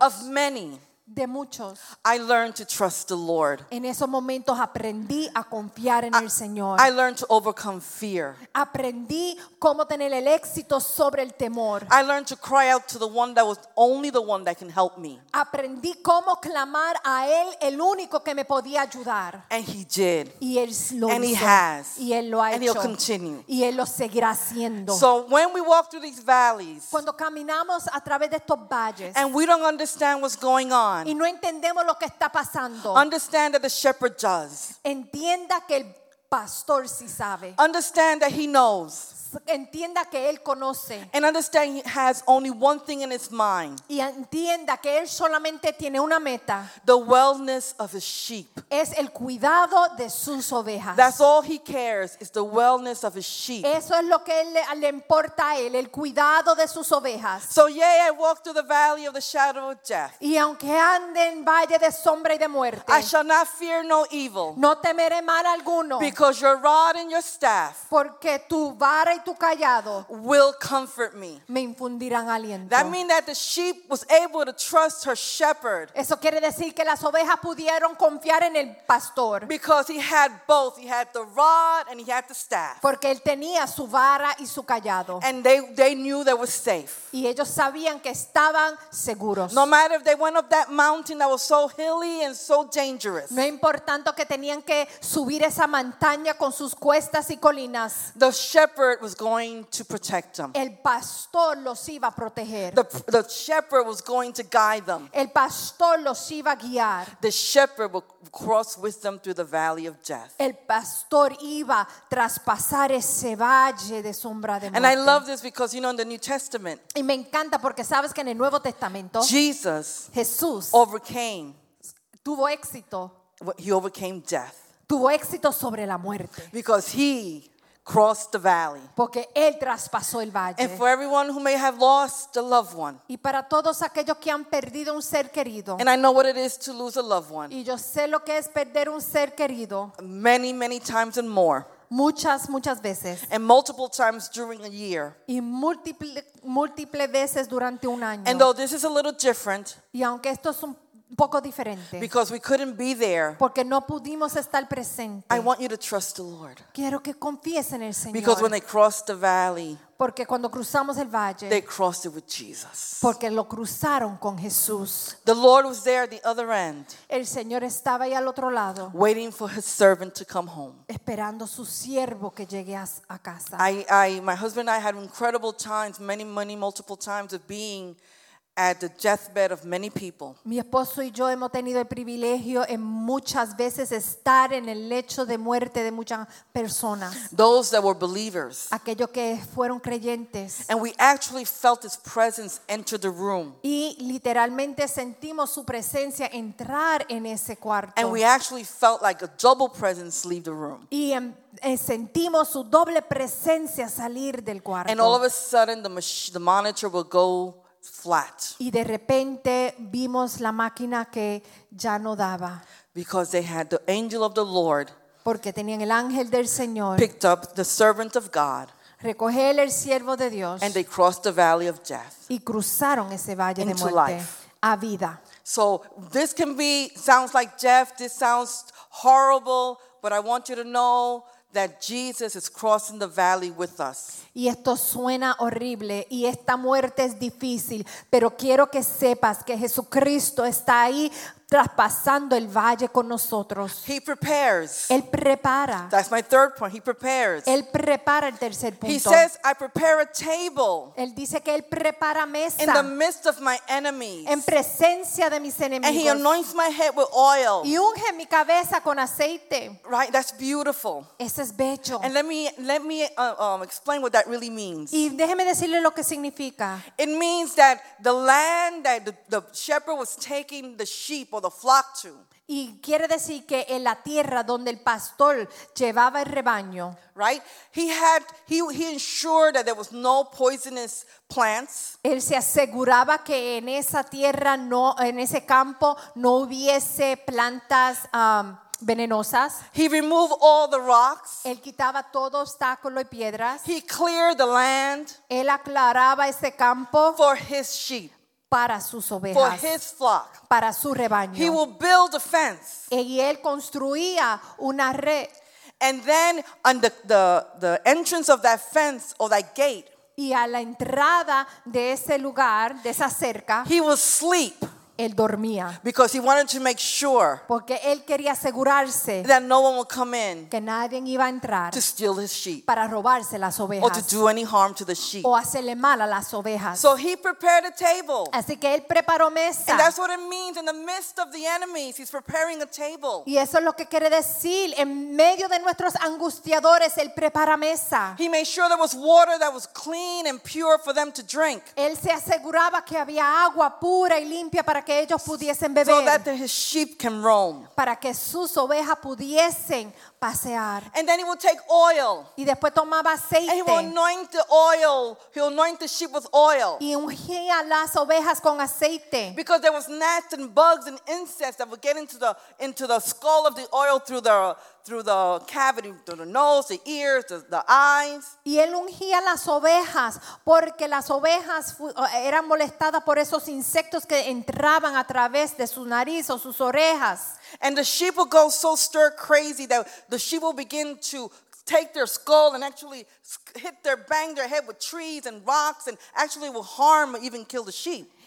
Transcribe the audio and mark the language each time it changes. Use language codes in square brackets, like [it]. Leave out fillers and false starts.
[en] of many, [es] de muchos, [en] I learned to trust the Lord. [es] En esos momentos aprendí a confiar en el Señor. [en] I learned to overcome fear. [es] Aprendí cómo tener el éxito sobre el temor. [en] I learned to cry out to the one that was only the one that can help me. [es] Aprendí cómo clamar a él, el único que me podía ayudar. [en] And he did. [es] Y él lo [en] and [es] hizo. [en] He has. [es] Y él lo ha [en] and [es] hecho. [en] He'll continue. [es] Y él lo seguirá haciendo. [en] So when we walk through these valleys, [es] cuando caminamos a través de estos valles, [en] and we don't understand what's going on, [es] y no entendemos lo que está pasando, [en] understand that the shepherd does. [es] Entienda que el pastor sí sabe. [en] Understand that he knows. [es] Entienda que él conoce. [en] And understand he has only one thing in his mind. [es] Y entienda que él solamente tiene una meta. [en] The wellness of his sheep. [es] Es el cuidado de sus ovejas. [en] That's all he cares, is the wellness of his sheep. [es] Eso es lo que le importa a él, el cuidado de sus ovejas. [en] So yea, I walk through the valley of the shadow of death. [es] Y aunque ande en valle de sombra y de muerte, [en] I shall not fear no evil. [es] No temeré mal alguno. [en] Because your rod and your staff. [es] Porque tu vara y tu callado [en] will comfort me. [es] Me infundirán aliento. [en] That means that the sheep was able to trust her shepherd. [es] Eso quiere decir que las ovejas pudieron confiar en el pastor. [en] Because he had both. He had the rod and he had the staff. [es] Porque él tenía su vara y su callado. [en] And they knew they were safe. [es] Y ellos sabían que estaban seguros. [en] No matter if they went up that mountain that was so hilly and so dangerous. [es] No importando que tenían que subir esa montaña con sus cuestas y colinas. [en] The shepherd was going to protect them. [es] El pastor los iba a proteger. [en] The shepherd was going to guide them. [es] El pastor los iba a guiar. [en] The shepherd would cross with them through the valley of death. [es] El pastor iba a traspasar ese valle de sombra de muerte. [en] And I love this because you know in the New Testament. [es] Y me encanta porque sabes que en el Nuevo Testamento, [en] Jesus, [es] Jesús, [en] overcame. [es] Tuvo éxito. [en] He overcame death. [es] Tuvo éxito sobre la muerte. [en] Because he crossed the valley. [es] Porque él traspasó el valle. [en] And for everyone who may have lost a loved one. [es] Y para todos aquellos que han perdido un ser querido. [en] And I know what it is to lose a loved one. [es] Y yo sé lo que es perder un ser querido. [en] Many, many times and more. [es] Muchas, muchas veces. [en] And multiple times during a year. [es] Y múltiples veces durante un año. [en] And though this is a little different. [es] Y aunque esto es un poco diferente, [en] because we couldn't be there. [es] Porque no pudimos estar presente. [en] I want you to trust the Lord. [es] Quiero que confíes en el Señor. [en] Because when they crossed the valley, [es] porque cuando cruzamos el valle, [en] they crossed it with Jesus. [es] Porque lo cruzaron con Jesús. [en] The Lord was there at the other end. [es] El Señor estaba ahí al otro lado. [en] Waiting for his servant to come home. [es] Esperando su siervo que llegue a casa. [en] I my husband and I had incredible times, many, many, multiple times of being at the deathbed of many people. [es] Mi esposo y yo hemos tenido el privilegio en muchas veces estar en el lecho de muerte de muchas personas. [en] Those that were believers. [es] Aquellos que fueron creyentes. [en] And we actually felt his presence enter the room. [es] Y literalmente sentimos su presencia entrar en ese cuarto. [en] And we actually felt like a double presence leave the room. [es] Y sentimos su doble presencia salir del cuarto. [en] And all of a sudden the monitor will go flat. [es] Y de repente vimos la máquina que ya no daba. [en] Because they had the angel of the Lord. [es] Porque tenían el ángel del Señor. [en] Picked up the servant of God. [es] Recoger el siervo de Dios. [en] And they crossed the valley of death. [es] Y cruzaron ese valle [en] into [es] de muerte. [en] Life. [es] A vida. [en] So this can be sounds like Jeff. This sounds horrible, but I want you to know that Jesus is crossing the valley with us. [es] Y esto suena horrible y esta muerte es difícil, pero quiero que sepas que Jesucristo está ahí traspasando el valle con nosotros. [en] He prepares. [es] Él prepara. [en] That's my third point. He prepares. [es] Él prepara el tercer punto. [en] He says, I prepare a table. [es] Él dice que él prepara mesa. [en] In the midst of my enemies. [es] En presencia de mis enemigos. [en] And he anoints my head with oil. [es] Y unge mi cabeza con aceite. [en] Right, that's beautiful. [es] Eso es bello. [en] And let me explain what that really means. [es] Y déjeme decirle lo que significa. [en] It means that the land that the shepherd was taking the sheep or the flock to. [es] Y quiere decir que en la tierra donde el pastor llevaba el rebaño. [en] Right? He ensured that there was no poisonous plants. [es] Él se aseguraba que en esa tierra no, en ese campo no hubiese plantas venenosas. [en] He removed all the rocks. [es] Él quitaba todo obstáculo y piedras. [en] He cleared the land. [es] Él aclaraba ese campo. [en] For his sheep. [es] Para sus ovejas, [en] for his flock, [es] para su rebaño. [en] He will build a fence. [es] Y él construía una red. [en] And then on the entrance of that fence or that gate, [es] y a la entrada de ese lugar, de esa cerca, [en] he will sleep. [es] Él dormía. [en] Because he wanted to make sure, [es] porque él quería asegurarse, [en] that no one would come in, [es] que nadie iba a entrar, [en] to steal his sheep, [es] para robarse las ovejas, [en] or to do any harm to the sheep, [es] o hacerle mal a las ovejas. [en] So he prepared a table. [es] Así que él preparó mesa. [en] And that's what it means in the midst of the enemies. He's preparing a table. [es] Y eso es lo que quiere decir en medio de nuestros angustiadores. Él prepara mesa. [en] He made sure there was water that was clean and pure for them to drink. [es] Él se aseguraba que había agua pura y limpia para que ellos pudiesen beber, [en] so that his sheep can roam, [es] para que sus ovejas pudiesen pasear. [en] And then he will take oil, [es] y después tomaba aceite. [en] And he will anoint the oil. He will anoint the sheep with oil. [es] Y ungía las ovejas con aceite. [en] Because there was gnats and bugs and insects that would get into the skull of the oil through the cavity, through the nose, the ears, the eyes. [es] Y él ungía las ovejas porque las ovejas eran molestadas por esos insectos que entraban a través de su nariz o sus orejas. [en] And the sheep will go so stir crazy that the sheep will begin to take their skull and actually bang their head with trees and rocks, and actually will harm or even kill the sheep.